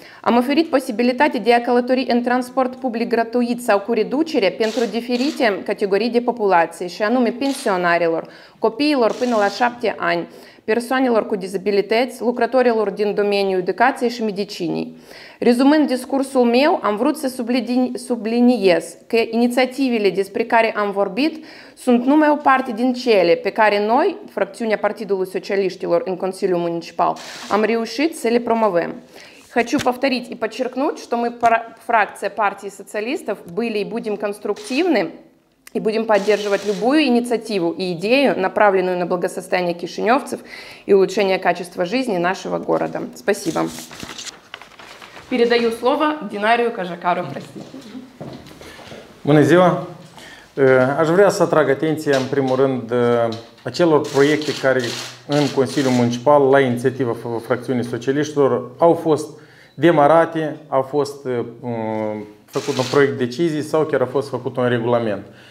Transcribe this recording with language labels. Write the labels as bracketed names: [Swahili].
[Romanian] Am oferit posibilitatea de a călători în transport public gratuit sau cu reducere pentru diferite categorii de populație, și anume pensionarilor, copiilor până la 7 ani, persoanelor cu dizabilități, lucrătorilor din domeniul educației și medicinii. Rezumând discursul meu, am vrut să subliniez că inițiativele despre care am vorbit sunt numai o parte din cele pe care noi, fracțiunea Partidului Socialiștilor în Consiliul Municipal, am reușit să le promovăm. [Russian] Хочу повторить и подчеркнуть, что мы, фракция партии социалистов, были и будем конструктивны и будем поддерживать любую инициативу и идею, направленную на благосостояние кишиневцев и улучшение качества жизни нашего города. Спасибо. Передаю слово Динарию Кожакару. [Romanian] Bună ziua! Aș vrea să atrag atenția, în primul rând, acelor proiecte care în Consiliul Municipal, la inițiativa fracțiunii socialiștilor, au fost demarate, a fost făcut un proiect de decizie sau chiar a fost făcut un regulament.